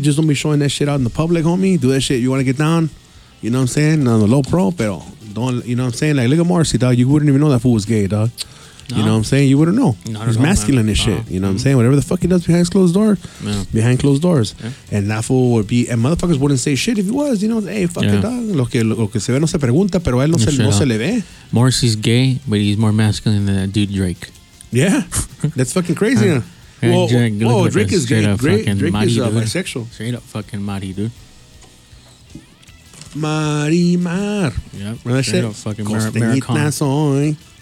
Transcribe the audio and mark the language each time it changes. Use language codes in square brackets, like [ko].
[en] Just don't be showing that shit out in the public, homie. Do that shit. You want to get down? You know what I'm saying? On the low pro, pero don't, you know what I'm saying? Like, look at Marcy, dog. You wouldn't even know that fool was gay, dog. No. You know what I'm saying? You wouldn't know. Not he's masculine all, and shit. Uh-huh. You know what I'm saying? Whatever the fuck he does behind closed doors, behind closed doors. Yeah. And that fool would be, and motherfuckers wouldn't say shit if he was, you know, hey, fucking dog. [es] Lo que se ve no se pregunta, pero él no se le ve. [en] Morrissey's gay, but he's more masculine than that dude Drake. Yeah. That's fucking crazy. Huh? Drake is gay. Drake is bisexual. Straight up fucking Mari, dude. Marimar. Yeah. Straight up fucking Maricon.